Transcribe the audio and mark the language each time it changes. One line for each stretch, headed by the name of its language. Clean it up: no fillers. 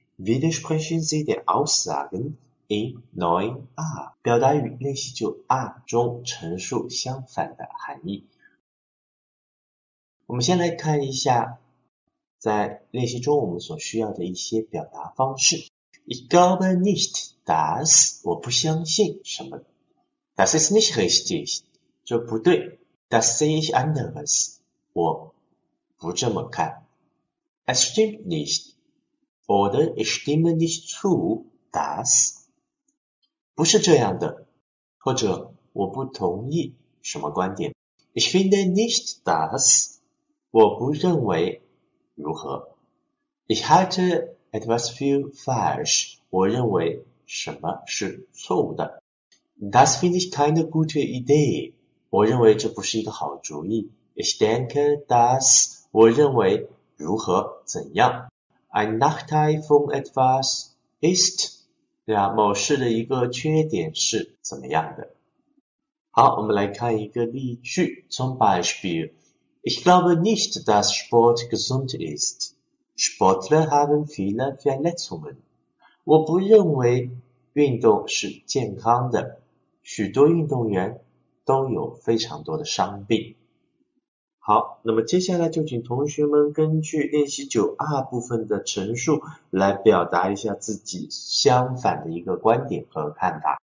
German: Widersprechen Sie den Aussagen in 9a，
Chinese: 表达与练习九 R 中陈述相反的含义。我们先来看一下在练习中我们所需要的一些表达方式。
German: Ich glaube nicht, dass，
Chinese: 我不相信什么。
German: Das ist nicht richtig，
Chinese: 这不对。
German: Das sehe ich anders，
Chinese: 我不这么看。
German: Es stimmt nicht， oder ich stimme nicht zu, dass，
Chinese: 不是这样的，或者我不同意什么观点。
German: Ich finde nicht, dass，
Chinese: 我不认为。如何
German: ？Ich halte etwas für falsch，
Chinese: 我认为什么是错误的
German: ？Das finde ich keine gute Idee，
Chinese: 我认为这不是一个好主意。
German: Ich denke, dass，
Chinese: 我认为如何怎样
German: ？Ein Nachteil von etwas ist，
Chinese: 对啊，某事的一个缺点是怎么样的？好，我们来看一个例句，从 Beispiel。
German: Ich glaube nicht, dass Sport gesund ist. Sportler haben viele Verletzungen.
Chinese: 我不认为运动是健康的，许多运动员都有非常多的伤病。好，那么接下来就请同学们根据练习九 R 部分的陈述来表达一下自己相反的一个观点和看法。